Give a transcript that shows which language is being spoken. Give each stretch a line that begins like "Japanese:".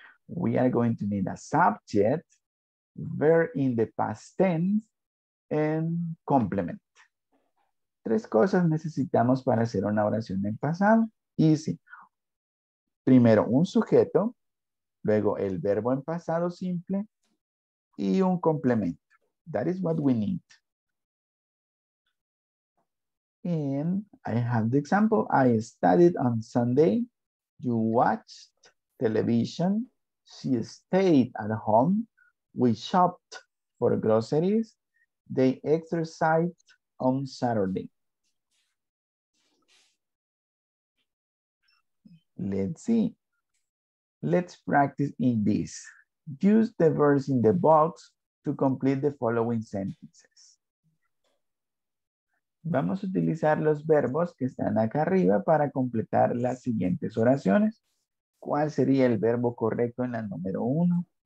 English: We are going to need a subject, verb in the past tense, and complement.
Spanish: Tres cosas necesitamos para hacer una oración en pasado.
English: Easy.
Spanish: Primero, un sujeto, luego el verbo en pasado simple, y un complemento.
English: That is what we need. And I have the example. I studied on Sunday. You watched television. She stayed at home. We shopped for groceries. They exercised on Saturday. Let's see. Let's practice in this. Use the verbs in the box to complete the following sentences.
Spanish: Vamos a utilizar los verbos que están acá arriba para completar las siguientes oraciones. ¿Cuál sería el verbo correcto en la número uno?